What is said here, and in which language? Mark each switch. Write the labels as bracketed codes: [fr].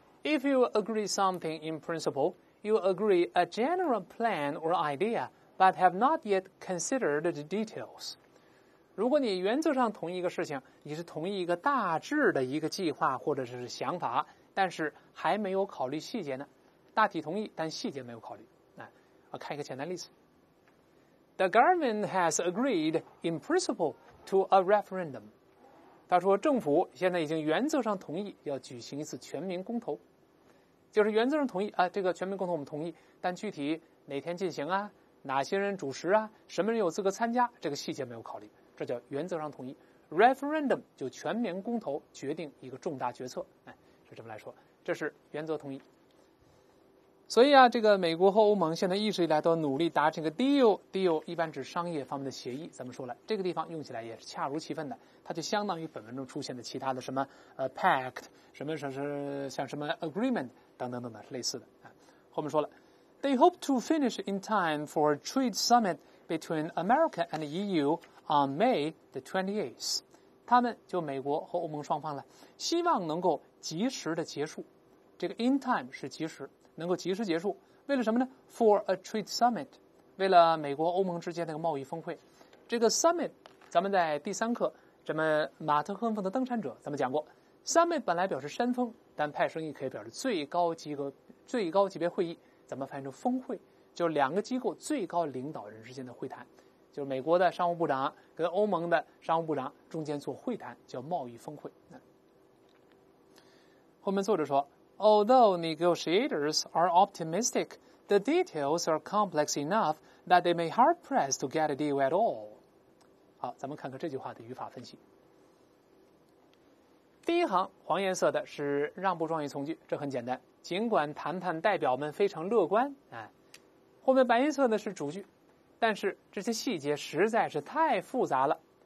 [en] If you agree something in principleYou agree a general plan or idea, but have not yet considered the details. [zh] 如果你原则上同意一个事情，你是同意一个大致的一个计划或者是想法，但是还没有考虑细节呢。大体同意，但细节没有考虑。我看一个简单例子。 [en] The government has agreed in principle to a referendum. [zh] 他说政府现在已经原则上同意要举行一次全民公投。就是原则上同意啊，这个全民公投我们同意，但具体哪天进行啊，哪些人主持啊，什么人有资格参加，这个细节没有考虑，这叫原则上同意。 Referendum 就全民公投，决定一个重大决策，哎，是这么来说，这是原则同意。所以啊，这个美国和欧盟现在一直以来都努力达成一个 deal， 一般指商业方面的协议。咱们说了，这个地方用起来也是恰如其分的，它就相当于本文中出现的其他的什么pact， 什么什么像什么 agreement。等等等等，类似的啊。后面说了 [en] ，They hope to finish in time for a trade summit between America and the EU on May the 28th. [zh] 他们就美国和欧盟双方了，希望能够及时的结束。这个 [en] in time [zh] 是及时，能够及时结束。为了什么呢 ？ [en] For a trade summit， [zh] 为了美国欧盟之间那个贸易峰会。这个 summit， 咱们在第三课，咱们马特亨峰的登山者，咱们讲过。 Summit 本来表示山峰，但派生意可以表示最高级别会议，咱们翻译成峰会，就是两个机构最高领导人之间的会谈，就是美国的商务部长跟欧盟的商务部长中间做会谈，叫贸易峰会。后面作者说 [en] ，Although negotiators are optimistic, the details are complex enough that they may hard press to get a deal at all. [zh] 好，咱们看看这句话的语法分析。第一行黄颜色的是让步状语从句，这很简单，尽管谈判代表们非常乐观、哎、后面白颜色的是主句，但是这些细节实在是太复杂了。